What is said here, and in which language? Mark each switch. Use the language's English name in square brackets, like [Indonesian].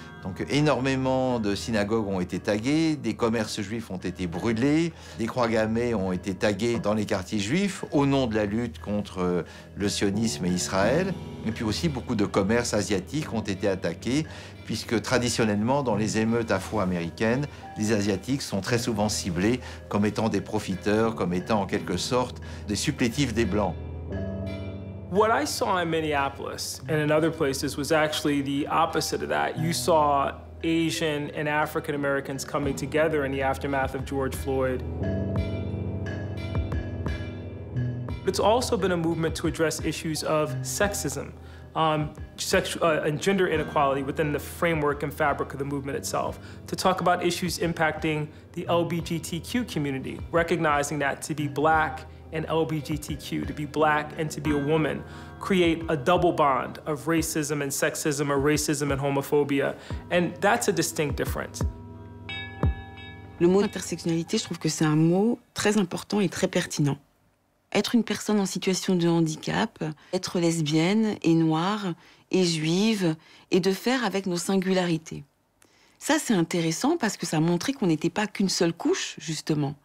[French] Donc énormément de synagogues ont été taguées, des commerces juifs ont été brûlés, des croix gammées ont été taguées dans les quartiers juifs au nom de la lutte contre le sionisme et Israël. Et puis aussi beaucoup de commerces asiatiques ont été attaqués, puisque traditionnellement dans les émeutes afro-américaines, les Asiatiques sont très souvent ciblés comme étant des profiteurs, comme étant en quelque sorte des supplétifs des Blancs. [English] What I saw in Minneapolis and in other places was actually the opposite of that. You saw Asian and African Americans coming together in the aftermath of George Floyd. It's also been a movement to address issues of sexism and gender inequality within the framework and fabric of the movement itself, to talk about issues impacting the LGBTQ community, recognizing that to be Black and LGBTQ, to be Black and to be a woman, create a double bond of racism and sexism, or racism and homophobia. And that's a distinct difference. [French] Le mot intersectionnalité, je trouve que c'est un mot très important et très pertinent. Être une personne en situation de handicap, être lesbienne et noire et juive, et de faire avec nos singularités. Ça, c'est intéressant parce que ça montrait qu'on n'était pas qu'une seule couche, justement.